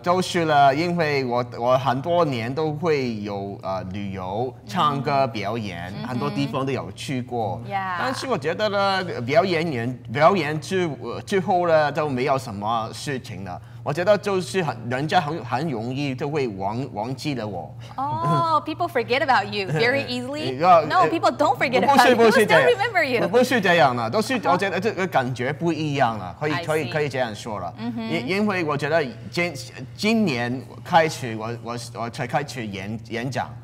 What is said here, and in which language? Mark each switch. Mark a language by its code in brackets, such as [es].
[zh] 就是呢因为 我很多年都会有、旅游唱歌表演、mm-hmm. 很多地方都有去过、 yeah. 但是我觉得呢表演 之后呢就没有什么事情了，我觉得就是人家 很容易就会 忘记了我。 [en] 哦、oh, people forget about you very easily. No, people don't forget about you. [zh] 不是 [en] people still remember you. [zh] 不是这样的，都是我觉得这个感觉不一样了，可以这样说了。 Mm-hmm. 因为我觉得今年开始我才开始演讲。